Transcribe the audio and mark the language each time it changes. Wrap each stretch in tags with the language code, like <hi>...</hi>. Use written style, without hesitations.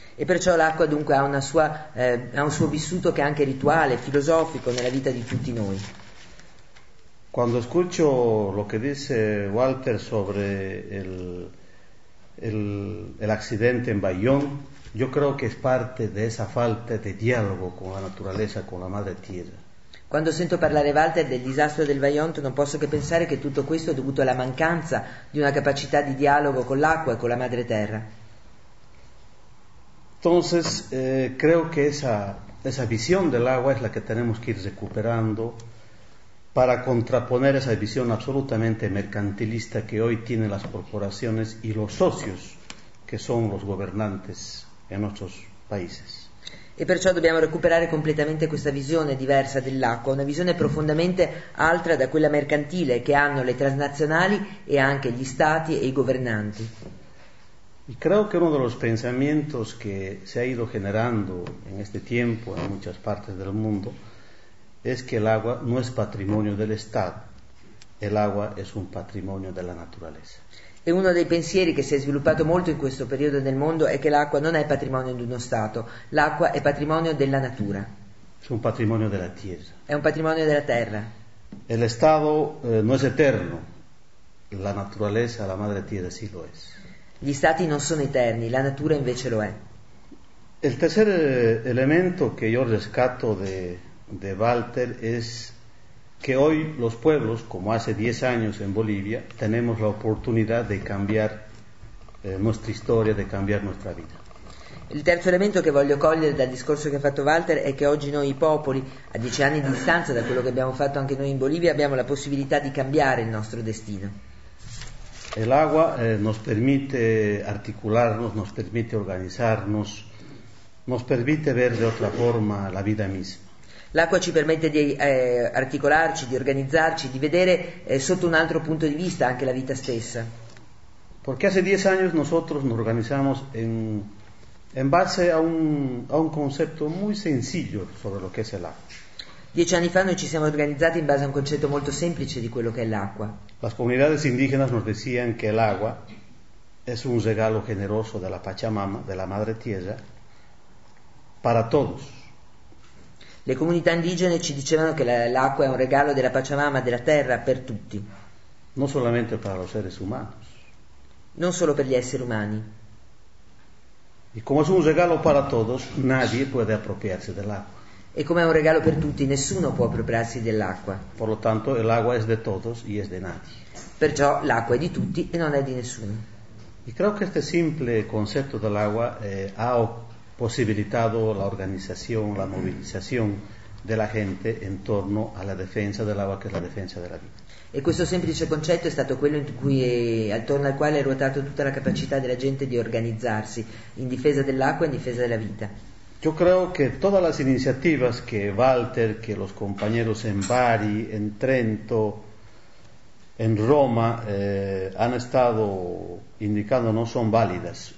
<it>E perciò l'acqua dunque ha una sua ha un suo vissuto che è anche rituale, filosofico nella vita di tutti noi.</it> <es>Quando escucho lo che dice Walter sobre el accidente en Bayón, yo creo que es parte de esa falta de diálogo con la naturaleza, con la madre tierra.</es> <it>Quando sento parlare Walter del disastro del Vajont, non posso che pensare che tutto questo è dovuto alla mancanza di una capacità di dialogo con l'acqua e con la madre terra.</it> <es>Entonces, creo que esa visión del agua es la que tenemos que ir recuperando para contraponer esa visión absolutamente mercantilista que hoy tienen las corporaciones y los socios que son los gobernantes en nuestros países.</es> <it>E perciò dobbiamo recuperare completamente questa visione diversa dell'acqua, una visione profondamente altra da quella mercantile che hanno le transnazionali e anche gli stati e i governanti.</it> <es>Y creo que uno de los pensamientos que se ha ido generando en este tiempo en muchas partes del mundo es que el agua no es patrimonio del Estado, el agua es un patrimonio de la naturaleza.</es> <it>E uno dei pensieri che si è sviluppato molto in questo periodo nel mondo è che l'acqua non è patrimonio di uno Stato, l'acqua è patrimonio della natura.</it> <es>Es un patrimonio de la tierra.</es> <it>È un patrimonio della terra.</it> <es>El Estado no es eterno, la naturaleza, la madre tierra sí lo es.</es> <it>Gli stati non sono eterni, la natura invece lo è.</it> <es>El tercer elemento que yo rescato de Walter es que hoy los pueblos, como hace 10 años en Bolivia, tenemos la oportunidad de cambiar nuestra historia, de cambiar nuestra vida.</es> <it>Il terzo elemento che voglio cogliere dal discorso che ha fatto Walter è che oggi noi i popoli, a 10 anni di distanza da quello che abbiamo fatto anche noi in Bolivia, abbiamo la possibilità di cambiare il nostro destino.</it> <es>El agua nos permite articularnos, nos permite organizarnos, nos permite ver de otra forma la vida misma.</es> <it>L'acqua ci permette di articolarci, di organizzarci, di vedere sotto un altro punto di vista anche la vita stessa.</it> <es>Perché hace 10 años nosotros nos organizamos en base a un concepto muy sencillo sobre lo que es el agua.</es> <it>10 anni fa noi ci siamo organizzati in base a un concetto molto semplice di quello che è l'acqua.</it> <es>Las comunidades indígenas nos decían que el agua es un regalo generoso de la Pachamama, de la Madre Tierra, para todos.</es> <it>Le comunità indigene ci dicevano che l'acqua è un regalo della Pachamama, della terra, per tutti. Non solamente</it> <es>para los seres humanos.</es> <it>Non solo per gli esseri umani.</it> <es>Y como es un regalo para todos, nadie puede apropiarse</es> <it>dell'acqua. E come è un regalo per tutti, nessuno può appropriarsi dell'acqua.</it> <es>Por lo tanto, el agua es de todos y es de nadie.</es> <it>Perciò l'acqua è di tutti e non è di nessuno.</it> <es>Y creo que este simple concepto del agua ha posibilitado la organización, la movilización de la gente en torno a la defensa del agua, que es la defensa de la vida.</es> <it>E questo semplice concetto è stato quello in cui attorno al quale è ruotato tutta la capacità della gente di organizzarsi in difesa dell'acqua e in difesa della vita.</it> <es>Yo creo que todas las iniciativas que Walter, que los compañeros en Bari, en Trento, en Roma han estado indicando no son válidas.</es>